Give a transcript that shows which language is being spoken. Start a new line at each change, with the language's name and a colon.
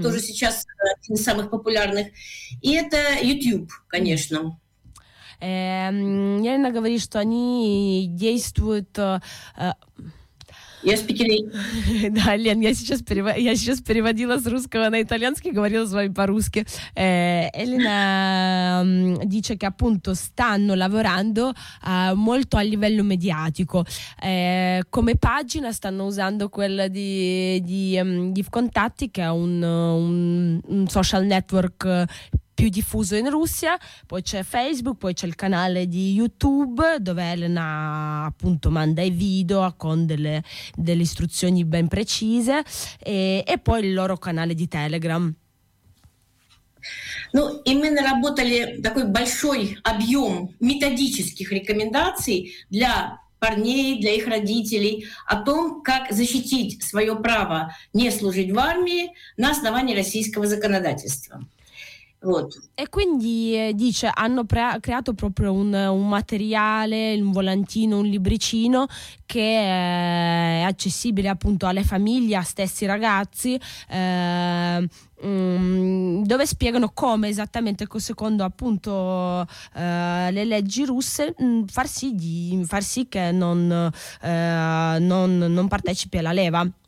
Russian: тоже сейчас один из самых популярных. И это YouTube, конечно. Елена говорит, что они действуют... Да, Лен, я сейчас переводила с русского на итальянский, говорила с вами по-русски.
Italian: Elena dice che appunto stanno lavorando molto a livello mediatico. Come pagina stanno usando quella di ВКонтакте, che è un social network più diffuso in Russia, poi c'è Facebook, poi c'è il canale di YouTube dove Elena appunto manda i video con delle istruzioni ben precise e poi il loro canale di Telegram.
Russian: Ну, и мы наработали такой большой объем методических рекомендаций для парней, для их родителей о том, как защитить свое право не служить в армии на основании российского законодательства. Вот.
Italian: E quindi dice hanno creato proprio un materiale, un volantino, un libricino che è accessibile appunto alle famiglie, a stessi ragazzi, dove spiegano come esattamente, secondo appunto le leggi russe, far sì che non partecipi alla leva.